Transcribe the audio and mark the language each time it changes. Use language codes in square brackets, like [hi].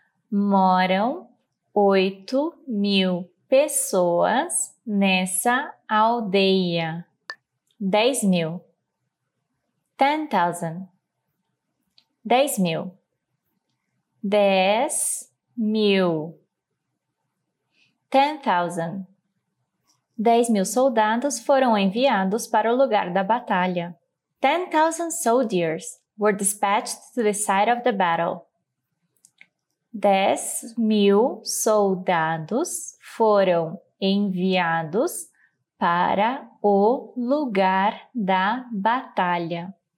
[pt] Moram 8.000 pessoas nessa aldeia. 10.000. 10,000. 10.000. 10.000. 10,000. 10.000 soldados foram enviados para o lugar da batalha. [en] 10,000 soldiers were dispatched to the site of the battle. [pt] 10.000 soldados foram enviados para o lugar da batalha.